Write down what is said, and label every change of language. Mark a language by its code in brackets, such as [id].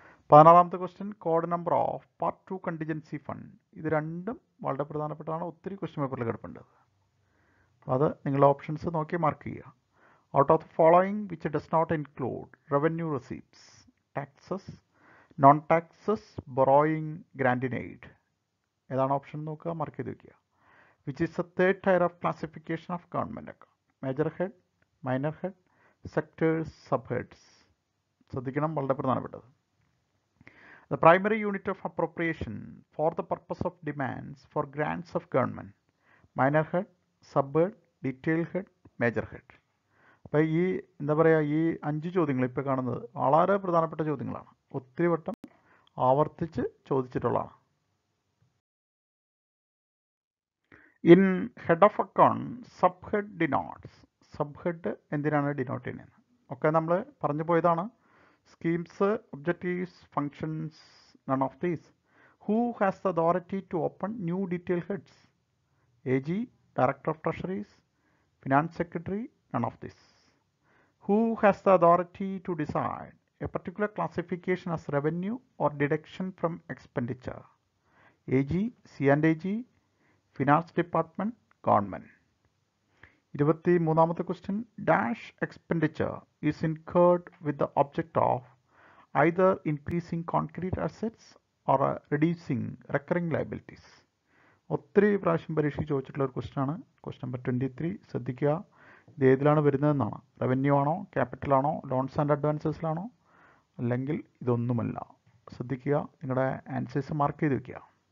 [en] 14th question, code number of part 2 contingency fund. [ml] ഇത് രണ്ടും വളരെ പ്രധാനപ്പെട്ടതാണ്, ഒത്തിരി ക്വസ്റ്റ്യൻ പേപ്പറിൽ കിടപ്പുണ്ട്. അപ്പോൾ അത് നിങ്ങളുടെ ഓപ്ഷൻസ് നോക്കി മാർക്ക് ചെയ്യുക. [en] Out of the following which does not include revenue receipts, taxes, non taxes, borrowing, grant in aid. [ml] ഏതാണ് ഓപ്ഷൻ നോക്കുക, മാർക്ക് ചെയ്ത് വയ്ക്കുക. [en] Which is the third tier of classification of government account? Major head, minor head, sectors, sub heads. [ml] ശ്രദ്ധിക്കണം, വളരെ പ്രധാനപ്പെട്ടത്. [en] The primary unit of appropriation for the purpose of demands for grants of government. Minor head, subhead, detail head, major head. [ml] അപ്പോൾ ഈ എന്താ പറയുക, ഈ അഞ്ച് ചോദ്യങ്ങൾ ഇപ്പോൾ കാണുന്നത് വളരെ പ്രധാനപ്പെട്ട ചോദ്യങ്ങളാണ്, ഒത്തിരി വട്ടം ആവർത്തിച്ച് ചോദിച്ചിട്ടുള്ളതാണ്. [en] In head of account sub head denotes. Sub head [ml] എന്തിനാണ് ഡിനോട്ട് ചെയ്യുന്നത്? ഒക്കെ നമ്മൾ പറഞ്ഞു പോയതാണ്. [en] Schemes, objectives, functions, none of these. Who has the authority to open new detail heads? A G, director of treasuries, finance secretary, none of these. Who has the authority to decide a particular classification as revenue or deduction from expenditure? A G, C and A G, finance department, government. 23rd question, dash expenditure is incurred with the object of either increasing concrete assets or reducing recurring liabilities. [ml] ഒത്തിരി പ്രാവശ്യം പരീക്ഷയിൽ ചോദിച്ചിട്ടുള്ള ഒരു question ആണ്, question number 23. ശ്രദ്ധിക്കുക, ഇത് ഏതിലാണ് വരുന്നതെന്നാണ്. Revenue ആണോ, ക്യാപിറ്റൽ ആണോ, ലോൺസ് ആൻഡ് അഡ്വാൻസസിലാണോ, അല്ലെങ്കിൽ ഇതൊന്നുമല്ല. ശ്രദ്ധിക്കുക, നിങ്ങളുടെ ആൻസേഴ്സ് മാർക്ക് ചെയ്ത് വയ്ക്കുക.